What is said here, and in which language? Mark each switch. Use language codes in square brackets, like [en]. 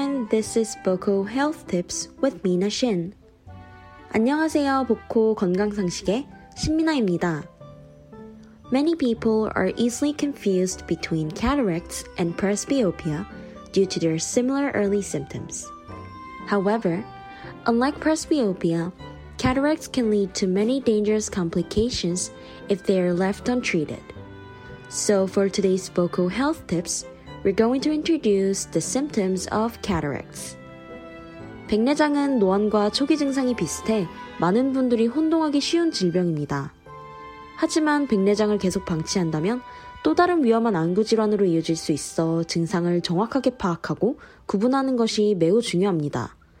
[en] This is Boko Health Tips with Mina Shin. [ko] 안녕하세요, 보코 건강상식의 신미나입니다. [en] Many people are easily confused between cataracts and presbyopia due to their similar early symptoms. However, unlike presbyopia, cataracts can lead to many dangerous complications if they are left untreated. So for today's Boko Health Tips, We're going to introduce the symptoms of cataracts. [ko] 백내장은 노안과 초기 증상이 비슷해 많은 분들이 혼동하기 쉬운 질병입니다. 하지만 백내장을 계속 방치한다면 또 다른 위험한 안구질환으로 이어질 수 있어 증상을 정확하게 파악하고 구분하는 것이 매우 중요합니다.